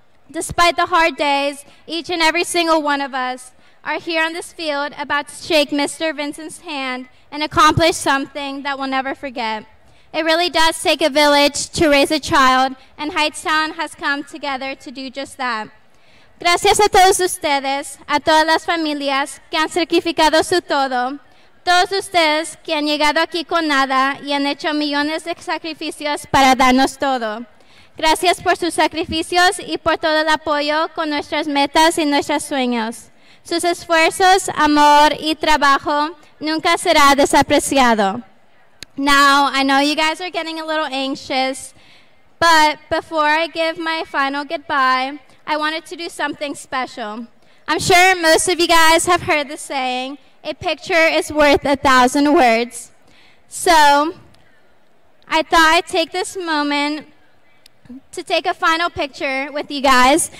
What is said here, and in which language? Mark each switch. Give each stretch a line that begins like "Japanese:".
English: Despite the hard days, each and every single one of us are here on this field about to shake Mr. Vincent's hand and accomplish something that we'll never forget. It really does take a village to raise a child, and Hightstown has come together to do just that.
Spanish: Gracias a todos ustedes, a todas las familias que han sacrificado su todo, todos ustedes que han llegado aquí con nada y han hecho millones de sacrificios para darnos todo. Gracias por sus sacrificios y por todo el apoyo con nuestras metas y nuestros sueños. Sus esfuerzos, amor y trabajo nunca será desapreciado.
English: Now, I know you guys are getting a little anxious, but before I give my final goodbye, I wanted to do something special. I'm sure most of you guys have heard the saying, a picture is worth a thousand words. So I thought I'd take this moment to take a final picture with you guys.